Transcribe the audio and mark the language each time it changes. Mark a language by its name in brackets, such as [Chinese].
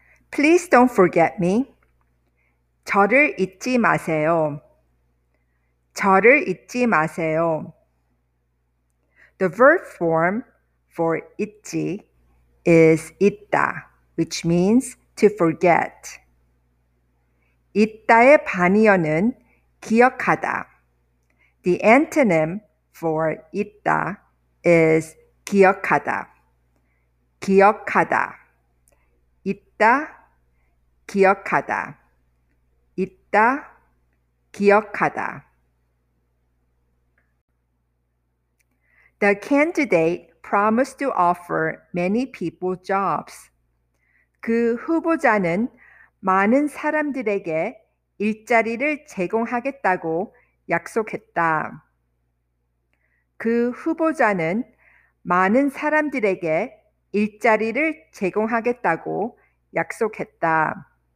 [English] Please don't forget me. 저를 잊지 마세요. [Korean] 저를 잊지 마세요. [English] The verb form for 잊지 is 잊다, which means to forget. [Korean] 잊다의 반이어는 기억하다. [English] The antonym for 잊다 is 기억하다. 기억하다. [Korean] 잊다, 기억하다. 잊다, 기억하다. [English] The candidate promised to offer many people jobs. [Korean] 그 후보자는 많은 사람들에게 일자리를 제공하겠다고 약속했다. 그 후보자는 많은 사람들에게 일자리를 제공하겠다고 약속했다.